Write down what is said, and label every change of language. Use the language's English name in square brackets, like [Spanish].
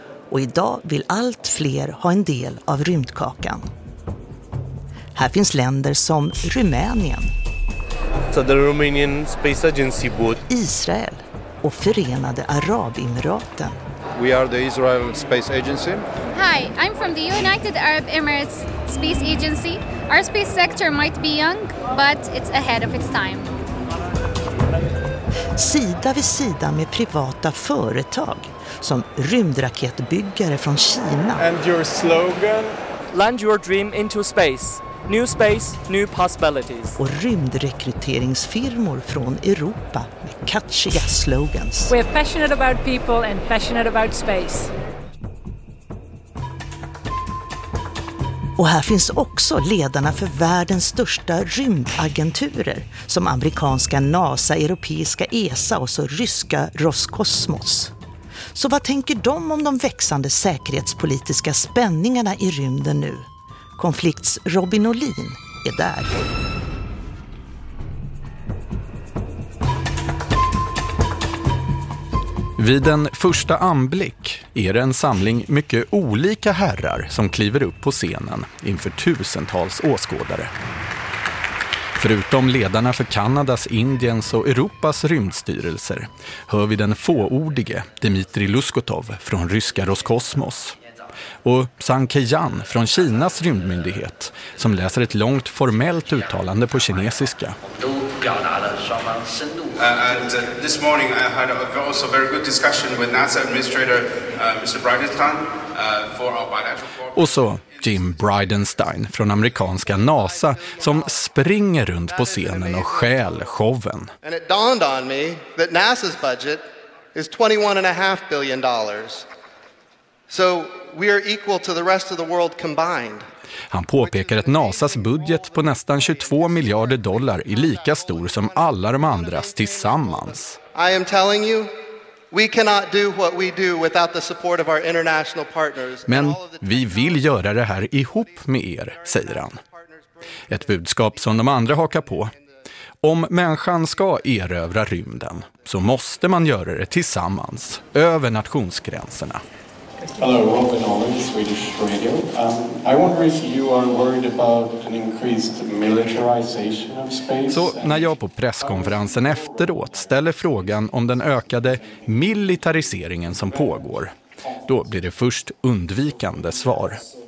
[Swedish] Och idag vill allt fler ha en del av rymdkakan. Här finns länder som Rumänien, [English] so the Romanian Space Agency booth, [Swedish] Israel och Förenade Arabemiraten. [English] We are the Israel Space Agency. Hi, I'm from the United Arab Emirates Space Agency. Our space sector might be young, but it's ahead of its time. [Swedish] Sida vid sida med privata företag som rymdraketbyggare från Kina. [English] And your slogan? Land your dream into space. New space, new possibilities. [Swedish] Och rymdrekryteringsfirmor från Europa med catchiga slogans. [English] We are passionate about people and passionate about space. [Swedish] Och här finns också ledarna för världens största rymdagenturer som amerikanska NASA, europeiska ESA och så ryska Roscosmos. Så vad tänker de om de växande säkerhetspolitiska spänningarna i rymden nu? Konflikts Robin Olin är där. Vid en första anblick är det en samling mycket olika herrar som kliver upp på scenen inför tusentals åskådare. Förutom ledarna för Kanadas, Indiens och Europas rymdstyrelser hör vi den fåordige Dmitrij Luskotov från ryska Roskosmos. Och Zhang Keyan från Kinas rymdmyndighet som läser ett långt formellt uttalande på kinesiska. [English] And this morning I had also a very good discussion with NASA administrator Mr. Bridenstine for our bilateral. [Swedish] Och så Jim Bridenstine från amerikanska NASA som springer runt på scenen och stjäl showen. [English] And it dawned on me that NASA's budget is $21.5 billion. So we are equal to the rest of the world combined. [Swedish] Han påpekar att NASAs budget på nästan 22 miljarder dollar är lika stor som alla de andras tillsammans. [English] I am telling you, we cannot do what we do without the support of our international partners. [Swedish] Men vi vill göra det här ihop med er, säger han. Ett budskap som de andra hakar på. Om människan ska erövra rymden så måste man göra det tillsammans, över nationsgränserna. [English] Hello, Robin Olin, Swedish Radio. I wonder if you are worried about an increased militarization of space. [Swedish] Så när jag på presskonferensen efteråt ställer frågan om den ökade militariseringen som pågår, då blir det först undvikande svar.